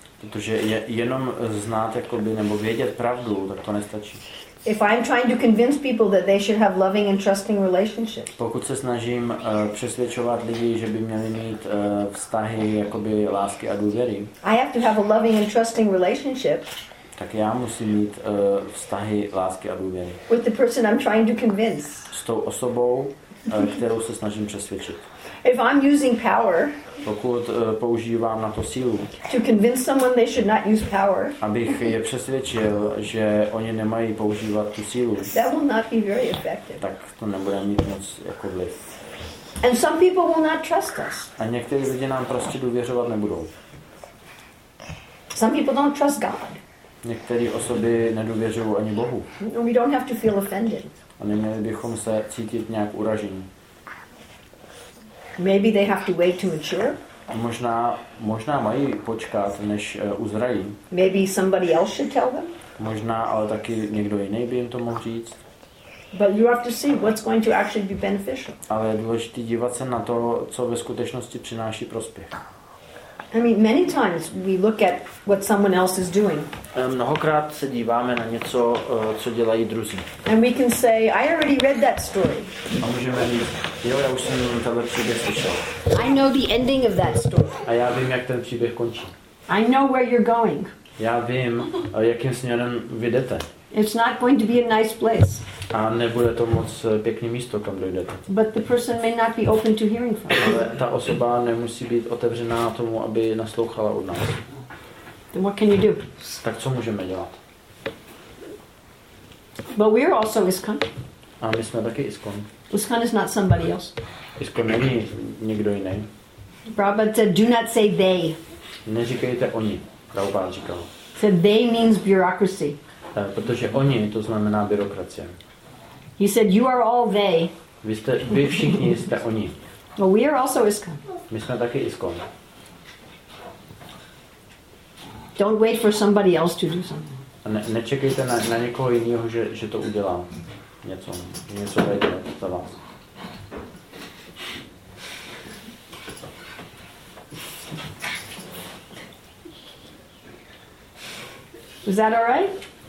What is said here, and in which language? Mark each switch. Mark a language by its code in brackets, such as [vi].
[cs] Protože jenom znát jakoby nebo vědět pravdu, tak to nestačí. [en] If I'm trying to convince people that they should have loving and trusting relationships. [cs] Pokud se snažím přesvědčovat lidi, že by měli mít vztahy jakoby lásky a důvěry. [en] I have to have a loving and trusting relationship. [cs] Tak já musím mít vztahy lásky a důvěry. [en] With the person I'm trying to convince. [cs] S tou osobou, kterou se snažím přesvědčit. [en] If I'm using power, [cs] pokud používám na to sílu, [en] to convince someone they should not use power, [cs] abych je přesvědčil, že oni nemají používat tu sílu, [en] that will not be very effective. [cs] Tak to nebude mít moc jako vliv. [en] And some people will not trust us. [cs] A někteří lidé nám prostě důvěřovat nebudou. [en] Some people don't trust God. [cs] Některé osoby nedůvěřují ani Bohu. [en] We don't have to feel offended. [cs] A neměli bychom se cítit nějak uražení. [en] Maybe they have to wait to mature. [cs] Možná mají počkat, než uzrají. [en] Maybe somebody else should tell them. [cs] Možná, ale taky někdo jiný by jim to mohl říct. [en] But you have to see what's going to actually be beneficial. [cs] Ale je důležité dívat se na to, co ve skutečnosti přináší prospěch. [en] I mean, many times we look at what someone else is doing. [cs] Mnohokrát se díváme na něco, co dělají druzí. [en] And we can say, I already read that story. [cs] A můžeme říct, jo, já už jsem tenhle příběh slyšel. [en] I know the ending of that story. [cs] A já vím, jak ten příběh končí. [en] I know where you're going. [cs] Já vím, jakým směrem vy jdete. [en] It's not going to be a nice place. [cs] A nebude to moc pěkné místo, kam dojdete. [en] But the person may not be open to hearing from. [cs] Ale ta osoba nemusí být otevřená tomu, aby naslouchala od nás. [en] Then what can you do? [cs] Tak co můžeme dělat? [en] But we're also ISKCON. [cs] A my jsme taky ISKCON. [en] ISKCON is not somebody else. [cs] ISKCON není někdo jiný. [en] Prabhupada said, do not say they. [cs] Neříkejte oni, Prabhupada říkal. [en] So they means bureaucracy. [cs] Protože oni, to znamená byrokracie. [en] He said, you are all they. [cs] Vy všichni jste oni. [en] Well, we are also ISKCON. [cs] My jsme taky ISKCON. [en] Don't wait for somebody else to do something. [cs] Nečekejte na někoho jiného, že to udělá. Něco dajte za vás. [en] Is that all right?